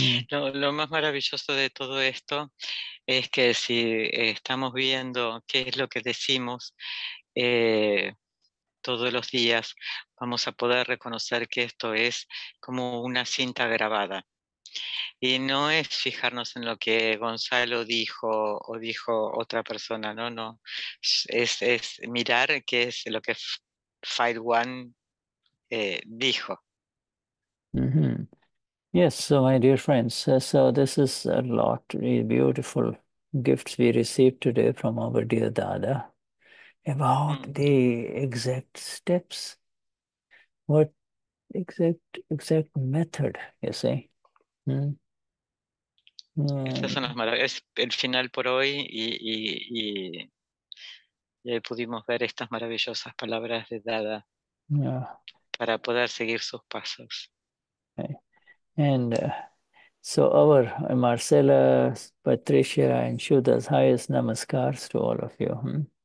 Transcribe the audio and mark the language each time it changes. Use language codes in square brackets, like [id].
[es] Lo más maravilloso de todo esto es que si estamos viendo qué es lo que decimos todos los días, vamos a poder reconocer que esto es como una cinta grabada. Y no es fijarnos en lo que Gonzalo dijo o dijo otra persona, no, no. Es mirar qué es lo que File One dijo. [en] Yes, so my dear friends, so this is a lot of beautiful gifts we received today from our dear Dada about the exact steps, what exact method, you see. [es] Estas son las maravillas, el final por hoy, y ahí pudimos ver estas maravillosas palabras de Dada para poder seguir sus pasos. [en] And so our Marcela, Patricia and Shuddha's highest namaskars to all of you.